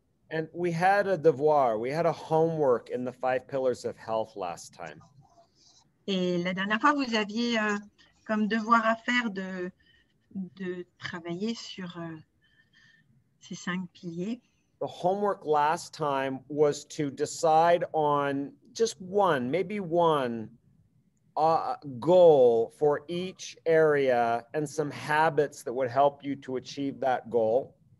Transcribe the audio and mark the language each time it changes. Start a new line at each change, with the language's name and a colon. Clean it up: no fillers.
English: And we had a devoir, we had a homework in the five pillars of health last time.
French: Et la dernière fois, vous aviez comme devoir à faire de travailler sur ces cinq piliers.
English: The homework last time was to decide on just one, maybe one goal for each area and some habits that would help you to achieve that goal.